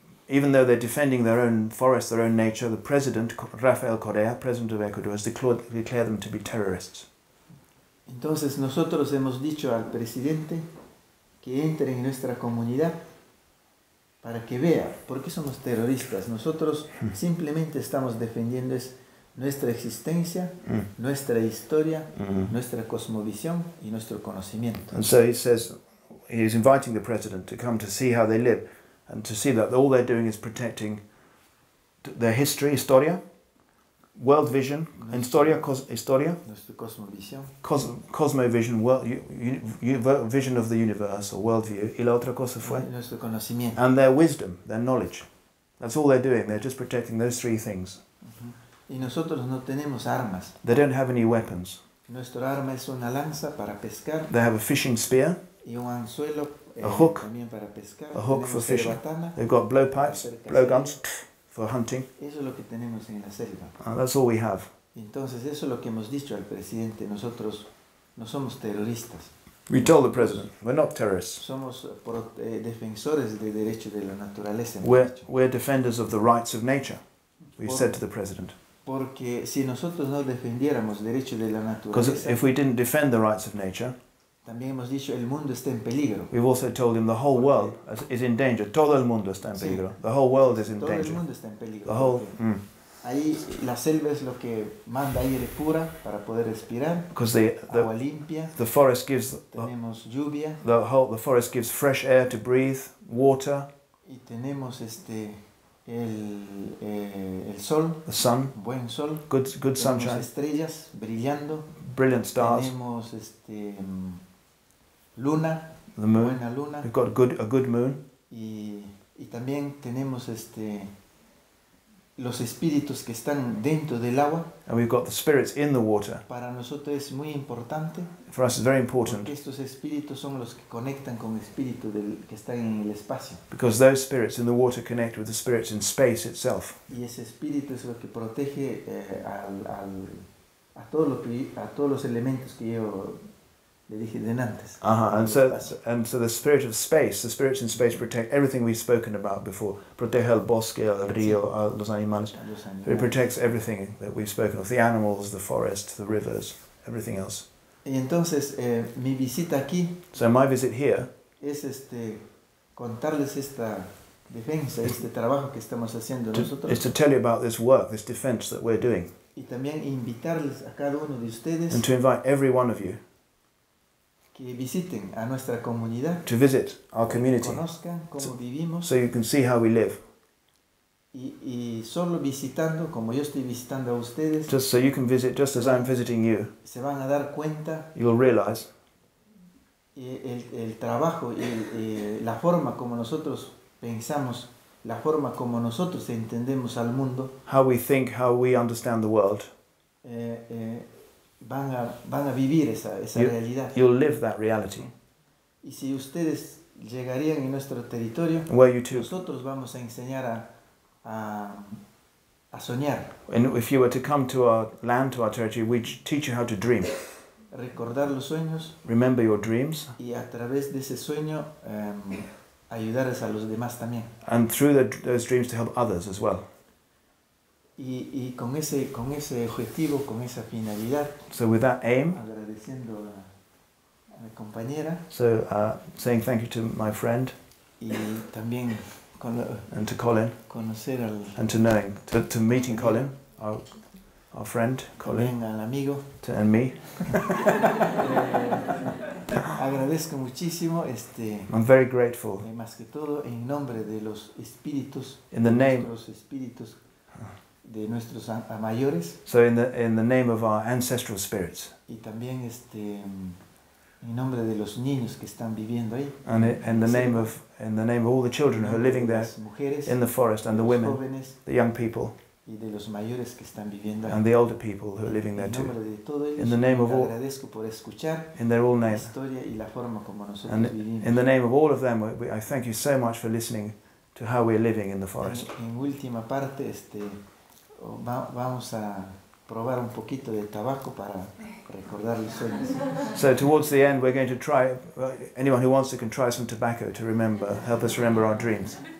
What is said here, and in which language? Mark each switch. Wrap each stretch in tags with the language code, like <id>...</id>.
<en>Even though they're defending their own forest, their own nature, the president, Rafael Correa, president of Ecuador, has declared them to be terrorists.</en> <es>Entonces nosotros hemos dicho al presidente que entre en nuestra comunidad para que vea por qué somos terroristas. Nosotros simplemente estamos defendiendo nuestra existencia, nuestra historia, nuestra cosmovisión y nuestro conocimiento.</es> <en>And so he says, he is inviting the president to come to see how they live and to see that all they're doing is protecting their history, historia, world vision, historia, cosmovision, vision of the universe or world view,</en> <es>y la otra cosa fue, nuestro conocimiento,</es> <en>and their wisdom, their knowledge. That's all they're doing. They're just protecting those three things.</en> <es>Uh-huh. Y nosotros no tenemos armas.</es> <en>They don't have any weapons.</en> <es>Nuestro arma es una lanza para pescar.</es> <en>They have a fishing spear,</en> <es>y un anzuelo,</es> <en>a hook,</en> <es>también para pescar.</es> <en>A hook</en> <es>tenemos</es> <en>for fishing.</en> <es>Batana,</es> <en>they've got blowpipes, blowguns. For hunting.</en> <es>Eso es lo que tenemos en la selva.</es> <en>That's all we have.</en> <es>Entonces eso es lo que hemos dicho al presidente. Nosotros no somos terroristas.</es> <en>We told the president, we're not terrorists.</en> <es>Somos defensores del derecho de la naturaleza.</es> <en>We're defenders of the rights of nature. We said to the president.</en> <es>Porque si nosotros no defendiéramos derecho de la naturaleza.</es> <en>Because if we didn't defend the rights of nature.</en> <es>También hemos dicho el mundo está en peligro.</es> <en>We've also told him the whole world is in danger.</en> <es>Todo el mundo está en peligro. Sí.</es> <en>The whole world is in</en> <es>todo</es> <en>danger.</en> <es>Todo el mundo está en peligro.</es> <en>The whole.</en> <es>Ahí la selva es lo que manda aire pura para poder respirar.</es> <en>Because the</en> <es>agua limpia.</es> <en>The forest gives.</en> <es>Tenemos lluvia.</es> <en>The forest gives fresh air to breathe. Water.</en> <es>Y tenemos el sol.</es> <en>The sun.</en> <es>Buen sol.</es> <en>Good</en> <es>tenemos</es> <en>sunshine.</en> <es>Tenemos estrellas brillando.</es> <en>Brilliant stars.</en> <es>Tenemos luna,</es> <en>the moon.</en> <es>Buena luna.</es> <en>We've got a good moon.</en> <es>Y también tenemos los espíritus que están dentro del agua.</es> <en>And we've got the spirits in the water.</en> <es>Para nosotros es muy importante.</es> <en>For us it's very important.</en> <es>Porque estos espíritus son los que conectan con el espíritu del que está en el espacio.</es> <en>Because those spirits in the water connect with the spirits in space itself.</en> <es>Y ese espíritu es lo que protege a todos los elementos que yo le dije de antes.</es> <en>And so the spirit of space, the spirits in space protect everything we've spoken about before.</en> <es>Protege el bosque, el río, los animales.</es> <en>It protects everything that we've spoken of, the animals, the forest, the rivers, everything else.</en> <es>Y entonces mi visita aquí.</es> <en>So my visit here</en> <es>es contarles esta defensa, este trabajo que estamos haciendo nosotros.</es> <en>Is to tell you about this work, this defense that we're doing.</en> <es>Y también invitarles a cada uno de ustedes.</es> <en>And to invite every one of you.</en> <es>Que visiten a nuestra comunidad.</es> <en>To visit our community.</en> <es>Que conozcan cómo vivimos.</es> <en>So you can see how we live.</en> <es>Y solo visitando, como yo estoy visitando a ustedes.</es> <en>Just so you can visit, just as I'm visiting you.</en> <es>Se van a dar cuenta.</es> <en>You'll realize.</en> <es>El trabajo, la forma como nosotros pensamos. La forma como nosotros entendemos al mundo.</es> <en>How we think, how we understand the world.</en> <es>Van a vivir esa realidad.</es> <en>You'll live that reality.</en> <es>Y si ustedes llegarían en nuestro territorio,</es> <en>where you too.</en> <es>Nosotros vamos a enseñar a soñar.</es> <en>And if you were to come to our land, to our territory, we'd teach you how to dream.</en> <es>Recordar los sueños.</es> <en>Remember your dreams.</en> <es>Y a través de ese sueño, ayudarles a los demás también.</es> <en>And through those dreams to help others as well.</en> <es>Y con ese objetivo, con esa finalidad.</es> <en>So with that aim.</en> <es>Agradeciendo a mi compañera.</es> <en>So saying thank you to my friend.</en> <es>Y también con.</es> <en>And to Colin.</en> <es>Conocer al.</es> <en>And to knowing, to meeting Colin, our friend Colin.</en> <es>Al amigo.</es> <en>And me.</en> <es>Agradezco muchísimo</es> <en>I'm very grateful.</en> <es>Más que todo en nombre de los espíritus.</es> <en>In the name</en> <es>de los espíritus de nuestros mayores.</es> <en>So in the name of our ancestral spirits.</en> <es>Y también en nombre de los niños que están viviendo ahí.</es> <en>And in the name of all the children who are living there.</en> <es>Mujeres,</es> <en>in the forest and the women.</en> <es>Jóvenes,</es> <en>the young people.</en> <es>Y de los mayores que están viviendo</es> <en>and the older people who are living there too.</en> <es>De todo ellos,</es> <en>in the name of all,</en> <es>agradezco por escuchar</es> <en>in their all name.</en> <es>La historia y la forma como nosotros</es> <en>and</en> <es>vivimos.</es> <en>In the name of all of them, I thank you so much for listening to how we're living in the forest.</en> <es>En última parte, vamos a probar un poquito de tabaco para recordar los sueños.</es> <en>So towards the end, we're going to try, anyone who wants to can try some tobacco to remember, help us remember our dreams.</en>